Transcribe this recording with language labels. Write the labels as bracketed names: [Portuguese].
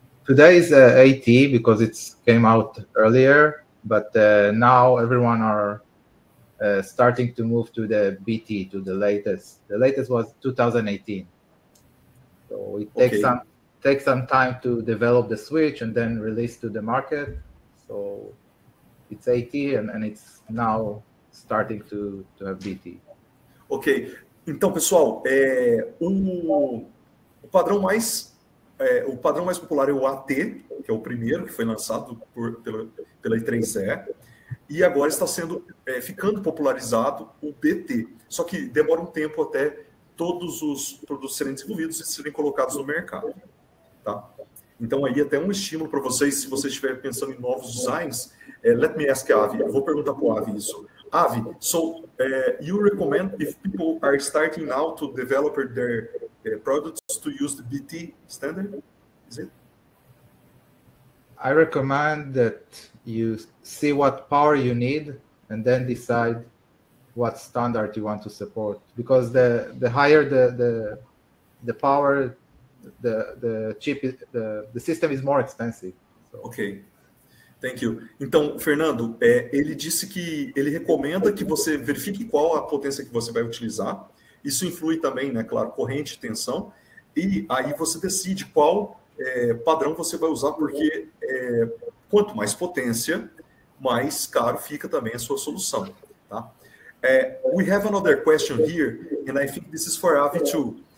[English] Today is AT because it came out earlier, but now everyone are starting to move to the BT, to the latest. The latest was 2018. So it takes some time to develop the switch and then release to the market. So it's AT and it's now starting to have BT. Ok. [Portuguese] Então, pessoal, o padrão mais popular é o AT, que é o primeiro, que foi lançado pela I3E, e agora está ficando popularizado o BT. Só que demora um tempo até todos os produtos serem desenvolvidos e serem colocados no mercado. Tá? Então, aí, até um estímulo para vocês, se vocês estiverem pensando em novos designs, [English] let me ask Avi, [Portuguese] eu vou perguntar para o Avi isso. [English] Avi, so, you recommend if people are starting now to develop their products to use the BT standard, is it? I recommend that you see what power you need and then decide what standard you want to support. Because the higher the power, the chip is, the system is more expensive. So. Okay, thank you. [Portuguese] Então, Fernando, ele disse que ele recomenda que você verifique qual a potência que você vai utilizar. Isso influi também, né, claro, corrente, tensão. E aí você decide qual padrão você vai usar, porque quanto mais potência, mais caro fica também a sua solução. Tá? [English] We have another question here, and I think this is for Avi too.